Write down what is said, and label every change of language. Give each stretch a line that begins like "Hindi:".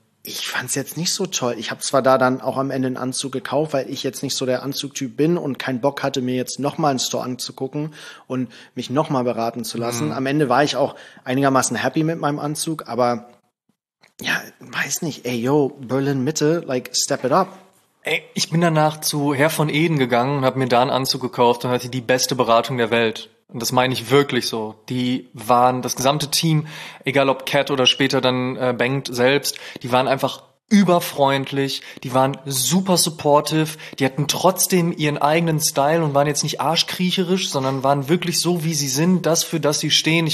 German: Ich fand's jetzt nicht so toll. Ich habe zwar da dann auch am Ende einen Anzug gekauft, weil ich jetzt nicht so der Anzugtyp bin und keinen Bock hatte, mir jetzt nochmal einen Store anzugucken und mich nochmal beraten zu lassen. Mhm. Am Ende war ich auch einigermaßen happy mit meinem Anzug, aber ja, weiß nicht.
English: Ey, yo, Berlin Mitte, like, step it up.
German: Ey, ich bin danach zu Herr von Eden gegangen und habe mir da einen Anzug gekauft und hatte die beste Beratung der Welt. Und das meine ich wirklich so. Die waren, das gesamte Team, egal ob Cat oder später dann Bengt selbst, die waren einfach überfreundlich, die waren super supportive, die hatten trotzdem ihren eigenen Style und waren jetzt nicht arschkriecherisch, sondern waren wirklich so, wie sie sind, das, für das sie stehen.